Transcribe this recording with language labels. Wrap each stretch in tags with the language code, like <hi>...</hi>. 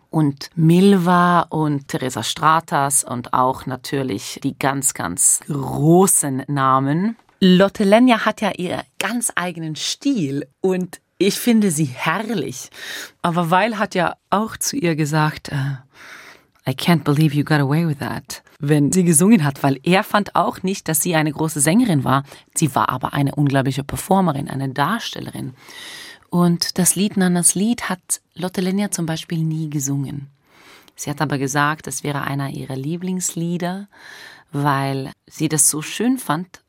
<de>Und Milva und Teresa Stratas und auch natürlich die ganz, ganz großen Namen. Lotte Lenya hat ja ihren ganz eigenen Stil und ich finde sie herrlich. Aber Weill hat ja auch zu ihr gesagt,</de> <en>I can't believe you got away with that.</en> <de>Wenn sie gesungen hat, weil er fand auch nicht, dass sie eine große Sängerin war. Sie war aber eine unglaubliche Performerin, eine Darstellerin. Und das Lied Nannas Lied hat Lotte Lenya zum Beispiel nie gesungen. Sie hat aber gesagt, es wäre einer ihrer Lieblingslieder, weil sie das so schön fand.</de>